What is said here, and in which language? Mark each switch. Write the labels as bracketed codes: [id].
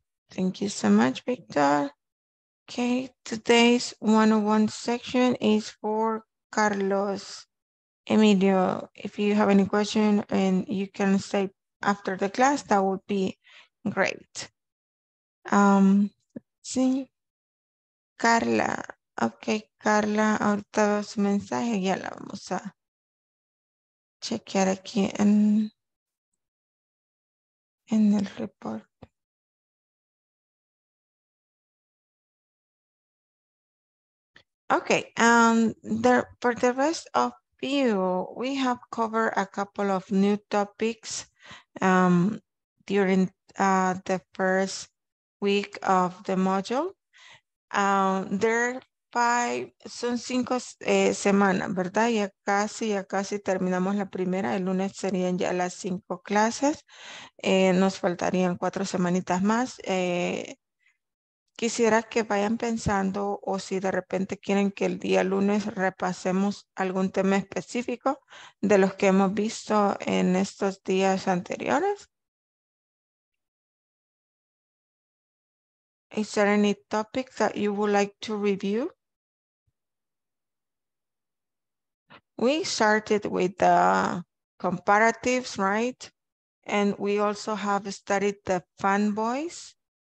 [en] Thank you so much, Victor. Okay, today's 101 section is for Carlos Emilio. If you have any question and you can stay after the class, that would be great. See, Carla. [es] Okay, Carla, ahorita veo su mensaje, ya la vamos a chequear aquí en el report. [en] Okay, for the rest of you, we have covered a couple of new topics during the first week of the module. There are [es] cinco semanas, ¿verdad? Ya casi terminamos la primera. El lunes serían ya las cinco clases. Nos faltarían cuatro semanitas más. Quisiera que vayan pensando o si de repente quieren que el día lunes repasemos algún tema específico de los que hemos visto en estos días anteriores. [en] Is there any topic that you would like to review? We started with the comparatives, right? And we also have studied the fanboys.